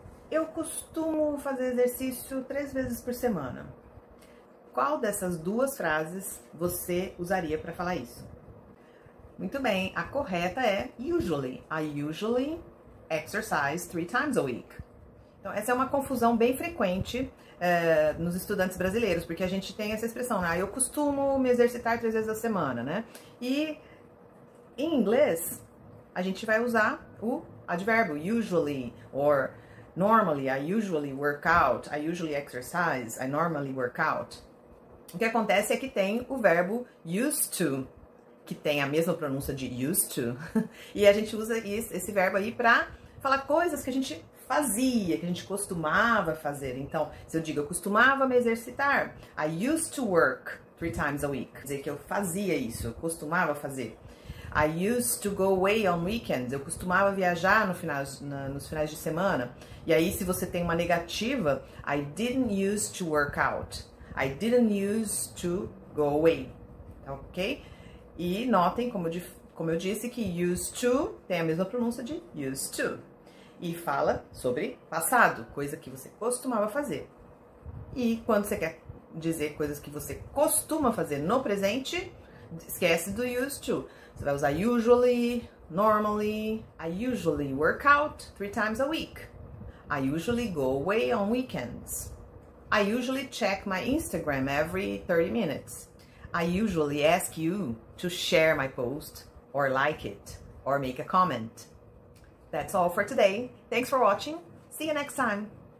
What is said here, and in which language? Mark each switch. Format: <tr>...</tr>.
<pt>Eu costumo fazer exercício 3 vezes por semana. Qual dessas duas frases você usaria para falar isso? Muito bem, a correta é usually.</pt> <en>I usually exercise 3 times a week.</en> <pt>Então, essa é uma confusão bem frequente, nos estudantes brasileiros, porque a gente tem essa expressão, né? Eu costumo me exercitar 3 vezes a semana, né? E em inglês, a gente vai usar o advérbio usually,</pt> <en>or normally, I usually work out,</en> <pt>I usually exercise, I normally work out. O que acontece é que tem o verbo used to, que tem a mesma pronúncia de used to, e a gente usa esse verbo aí para falar coisas que a gente fazia, que a gente costumava fazer. Então, se eu digo eu costumava me exercitar,</pt> <en>I used to work 3 times a week,</en> <pt>quer dizer que eu fazia isso, eu costumava fazer.</pt> <en>I used to go away on weekends.</en> <pt>Eu costumava viajar no final, na, nos finais de semana. E aí, se você tem uma negativa,</pt> <en>I didn't used to work out. I didn't used to go away. Ok?</en> <pt>E notem, como eu disse, que used to tem a mesma pronúncia de used to. E fala sobre passado, coisa que você costumava fazer. E quando você quer dizer coisas que você costuma fazer no presente, esquece do used to. Você vai usar usually, normally.</pt> <en>I usually work out 3 times a week. I usually go away on weekends. I usually check my Instagram every 30 minutes. I usually ask you to share my post, or like it, or make a comment. That's all for today. Thanks for watching. See you next time.</en>